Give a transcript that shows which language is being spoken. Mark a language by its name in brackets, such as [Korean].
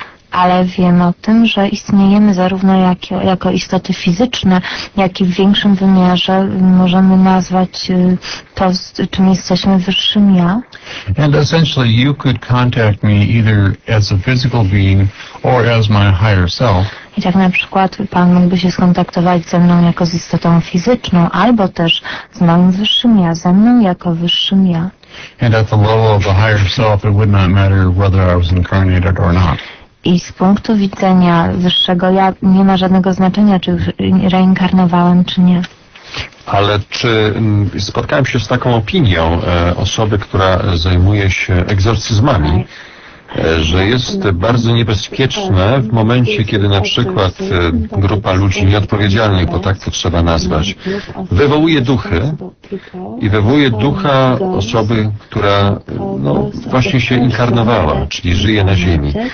[Polish] Ale wiem o tym, że istniejemy zarówno jako istoty fizyczne, jak i w większym wymiarze możemy nazwać to, czym jesteśmy, wyższym ja. [English] And essentially you could contact me either as a physical being or as my higher self. [Polish] I tak na przykład pan mógłby się skontaktować ze mną jako z istotą fizyczną, albo też z moim wyższym ja, ze mną jako wyższym ja. [English] And at the level of the higher self, it would not matter whether I was incarnated or not. [Polish] I z punktu widzenia wyższego ja nie ma żadnego znaczenia, czy reinkarnowałem, czy nie. Ale czy spotkałem się z taką opinią osoby, która zajmuje się egzorcyzmami, że jest bardzo niebezpieczne w momencie, kiedy na przykład grupa ludzi nieodpowiedzialnych, bo tak to trzeba nazwać, wywołuje duchy i wywołuje ducha osoby, która no, właśnie się inkarnowała, czyli żyje na ziemi.